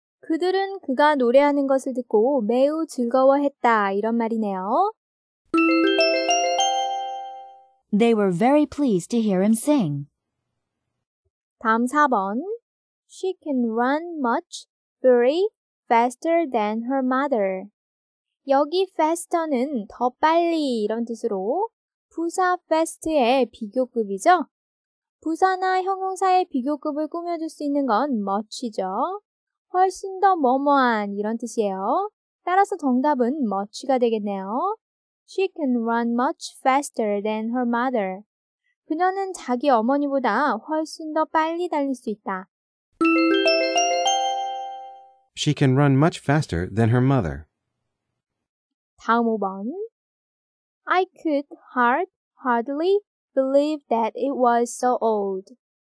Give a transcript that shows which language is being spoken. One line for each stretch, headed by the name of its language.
Korean: 그들은 그가 노래하는 것을 듣고 매우 즐거워했다. 이런 말이네요.
English: They were very pleased to hear him sing.
Korean: 다음 4번.
English: She can run much, very faster than her mother.
Korean: 여기 faster는 더 빨리 이런 뜻으로 부사 fast의 비교급이죠. 부사나 형용사의 비교급을 꾸며줄 수 있는 건 much이죠. 훨씬 더 뭐뭐한 이런 뜻이에요. 따라서 정답은 much가 되겠네요.
English: She can run much faster than her mother.
Korean: 그녀는 자기 어머니보다 훨씬 더 빨리 달릴 수 있다.
English: She can run much faster than her mother.
Korean: 다음 5번.
English: I could hardly believe that it was so old.